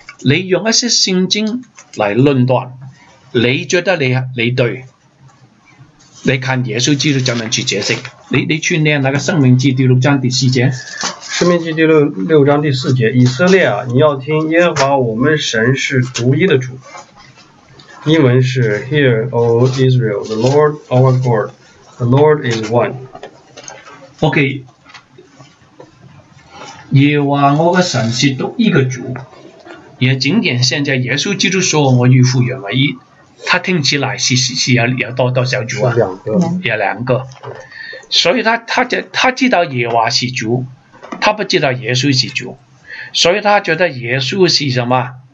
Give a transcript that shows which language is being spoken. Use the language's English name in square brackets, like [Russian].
[Chinese] 你用一些圣经来论断，你觉得你对，你看耶稣基督怎么去解释。你去念那个生命记第六章第四节，生命记第六章第四节，以色列啊，你要听耶和华我们神是独一的主。英文是 [English] Hear O Israel, the Lord our God, the Lord is one. [Chinese] OK, 耶和华我的神是独一个主，也仅仅现在耶稣基督说我与父原为一，他听起来是有多少主啊？两个。所以他知道耶和华是主，他不知道耶稣是主，所以他觉得耶稣是什么？